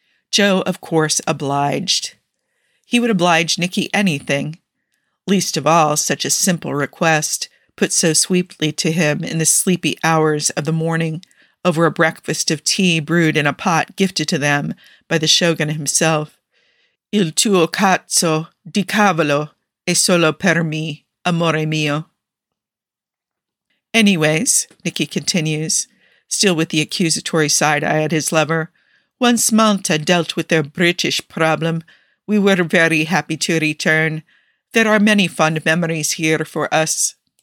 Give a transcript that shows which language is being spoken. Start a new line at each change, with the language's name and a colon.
English: Joe, of course, obliged. He would oblige Nikki anything, least of all such a simple request, put so sweetly to him in the sleepy hours of the morning over a breakfast of tea brewed in a pot gifted to them by the shogun himself.
Italian: Il tuo cazzo di cavolo è solo per me, amore mio.
English: Anyways, Nikki continues, still with the accusatory side eye at his lover, once Malta dealt with their British problem, we were very happy to return. There are many fond memories here for us.